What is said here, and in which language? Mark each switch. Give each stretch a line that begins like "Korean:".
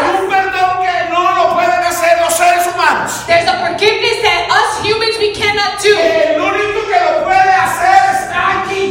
Spanish: Hay un perdón que no lo pueden hacer los seres humanos.
English: There's a forgiveness that us humans we cannot do.
Spanish: El único que lo puede hacer está aquí.